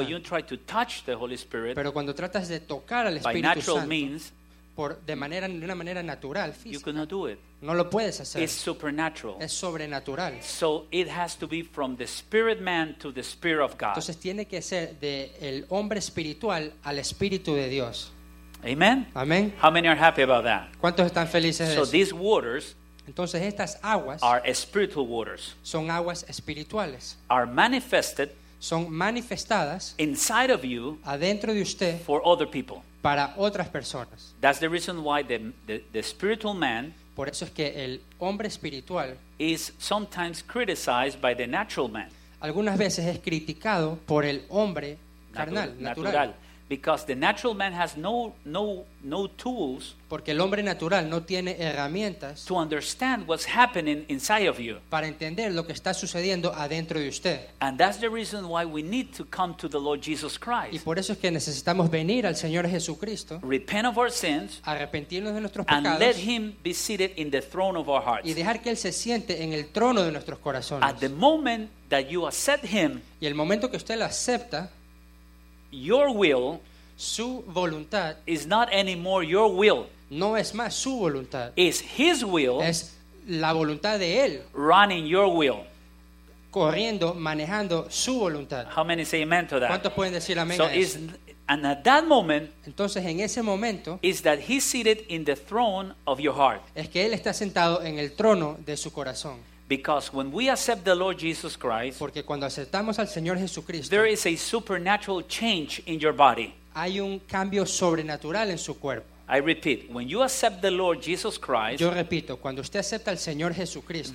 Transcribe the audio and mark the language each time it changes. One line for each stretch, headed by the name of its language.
English: When you try to touch the Holy Spirit,
Spanish: pero cuando tratas de tocar al Espíritu
English: by natural
Spanish: Santo,
English: means,
Spanish: por, de, manera, de una manera natural, física,
English: you could not do it.
Spanish: No lo puedes hacer.
English: It's supernatural.
Spanish: Es sobrenatural.
English: So it has to be from the spirit man to the spirit of God.
Spanish: Entonces tiene que ser de el hombre espiritual al espíritu de Dios.
English: Amen. Amen. How many are happy about that?
Spanish: ¿Cuántos están felices de
English: so
Spanish: eso?
English: So these waters,
Spanish: entonces estas aguas,
English: are spiritual waters.
Spanish: Son aguas espirituales.
English: Are manifested,
Spanish: son manifestadas
English: inside of you,
Spanish: adentro de usted,
English: for other people.
Spanish: Para otras personas.
English: That's the reason why the spiritual man.
Spanish: Por eso es que el hombre espiritual
English: is sometimes criticized by the natural man.
Spanish: Algunas veces es criticado por el hombre carnal, natural.
English: Because the natural man has no tools.
Spanish: Porque el hombre natural no tiene herramientas
English: to understand what's happening inside of you.
Spanish: Para entender lo que está sucediendo adentro de usted.
English: And that's the reason why we need to come to the Lord Jesus Christ.
Spanish: Y por eso es que necesitamos venir al Señor Jesucristo.
English: Repent of our sins.
Spanish: Arrepentirnos de nuestros
English: and
Spanish: pecados.
English: And let him be seated in the throne of our hearts.
Spanish: Y dejar que él se siente en el trono de nuestros corazones.
English: At the moment that you accept him.
Spanish: Y el momento que usted lo acepta.
English: Your will,
Spanish: su voluntad,
English: is not anymore your will.
Spanish: No es más su voluntad.
English: It's his will.
Spanish: Es la voluntad de él.
English: Running your will.
Spanish: Corriendo, manejando su voluntad.
English: How many say amen to that?
Spanish: ¿Cuántos pueden decir amén?
English: So it's And at that moment,
Spanish: entonces en ese momento,
English: is that he's seated in the throne of your heart.
Spanish: Es que él está sentado en el trono de su corazón.
English: Because when we accept the Lord Jesus Christ,
Spanish: porque cuando aceptamos al Señor Jesucristo,
English: there is a supernatural change in your body.
Spanish: Hay un cambio sobrenatural en su cuerpo.
English: I repeat, when you accept the Lord Jesus Christ,
Spanish: yo repito, cuando usted acepta al Señor Jesucristo,